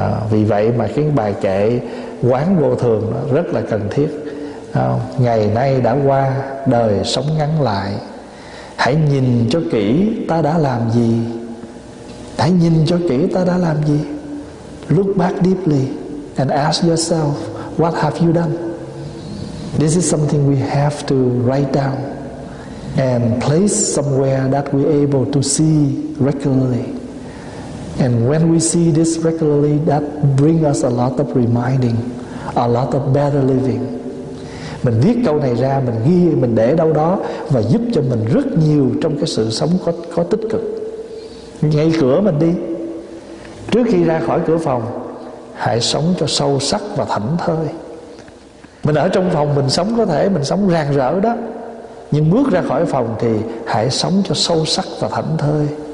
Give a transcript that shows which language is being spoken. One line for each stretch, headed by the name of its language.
Vietnamese: Vì vậy mà cái bài kệ quán vô thường rất là cần thiết. Ngày nay đã qua, đời sống ngắn lại. Hãy nhìn cho kỹ ta đã làm gì. Hãy nhìn cho kỹ ta đã làm gì.
English: Look back deeply and ask yourself, what have you done? This is something we have to write down and place somewhere that we're able to see regularly. And when we see this regularly, that brings us a lot of reminding, a lot of better living.
Vietnamese: Mình viết câu này ra, mình ghi, mình để đâu đó và giúp cho mình rất nhiều trong cái sự sống có tích cực. Ngay cửa mình đi, trước khi ra khỏi cửa phòng, hãy sống cho sâu sắc và thảnh thơi. Mình ở trong phòng mình sống, có thể mình sống rạng rỡ đó, nhưng bước ra khỏi phòng thì hãy sống cho sâu sắc và thảnh thơi.